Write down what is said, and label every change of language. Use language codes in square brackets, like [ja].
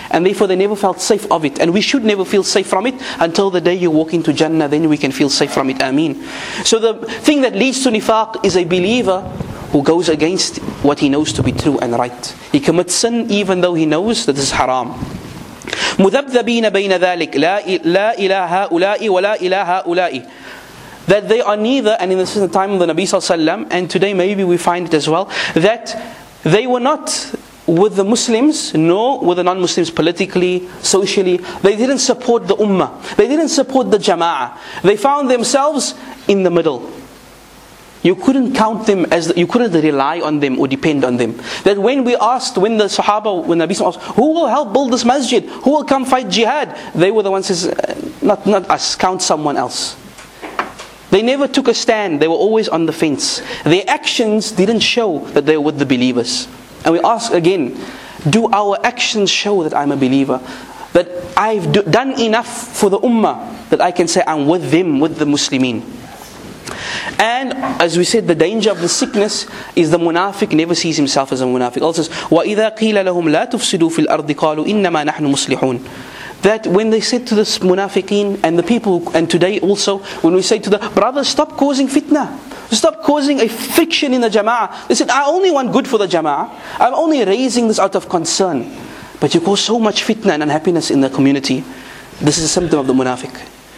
[en] And therefore they never felt safe of it. And we should never feel safe from it until the day you walk into Jannah. Then we can feel safe from it. Ameen. So the thing that leads to nifaq is a believer who goes against what he knows to be true and right. He commits sin even though he knows that this is haram. [ar] مذبذبين بين ذلك لا إله هؤلاء ولا إله هؤلاء. [en] That they are neither, and in the time of the Nabi Sallallahu Alaihi Wasallam, and today maybe we find it as well, that they were not with the Muslims, nor with the non-Muslims politically, socially. They didn't support the Ummah. They didn't support the Jama'ah. They found themselves in the middle. You couldn't count them as, you couldn't rely on them or depend on them. That when we asked, when the Sahaba, when Nabi Sallallahu Alaihi Wasallam, who will help build this masjid? Who will come fight jihad? They were the ones who says, not us, count someone else. They never took a stand. They were always on the fence. Their actions didn't show that they were with the believers. And we ask again, do our actions show that I'm a believer? That I've done enough for the ummah that I can say I'm with them, with the Muslimin. And as we said, the danger of the sickness is the munafiq never sees himself as a munafiq. Allah says, [ar] وَإِذَا قِيلَ لَهُمْ لَا تُفْسِدُوا فِي الْأَرْضِ قَالُوا إِنَّمَا نَحْنُ مُصْلِحُونَ. [en] That when they said to the munafiqeen and the people, and today also, when we say to the brothers, stop causing fitna, stop causing a friction in the jama'ah. They said, I only want good for the jama'ah. I'm only raising this out of concern. But you cause so much fitna and unhappiness in the community. This is a symptom of the munafiq.